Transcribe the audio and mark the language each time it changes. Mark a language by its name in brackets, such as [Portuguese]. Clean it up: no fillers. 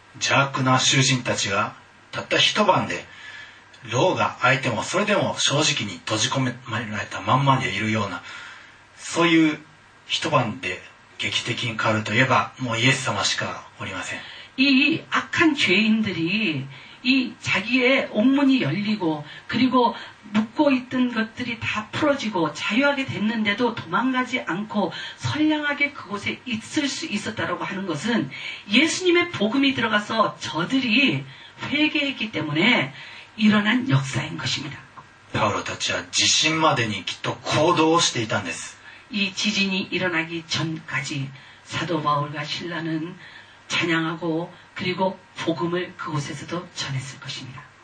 [Korean] 악한 [Japanese] 囚人たちがたった一晩で牢が開いてもそれでも正直に閉じ込められたまんまでいるようなそういう一晩で劇的に変わるといえばもうイエス様しかおりません。 [Korean] 이악한죄인들이 이 자기의 온문이 열리고 그리고 묶고 있던 것들이 다 풀어지고 자유하게 됐는데도 도망가지 않고 선량하게 그곳에 있을 수 있었다라고 하는 것은 예수님의 복음이 들어가서 저들이 회개했기 때문에 일어난 역사인 것입니다. [Japanese] 바울たちは地震までにきっと行動していたんです。 [Korean] 이 지진이 일어나기 전까지 사도 바울과 신라는 찬양하고 그리고 복음을 그곳에서도 전했을 것입니다.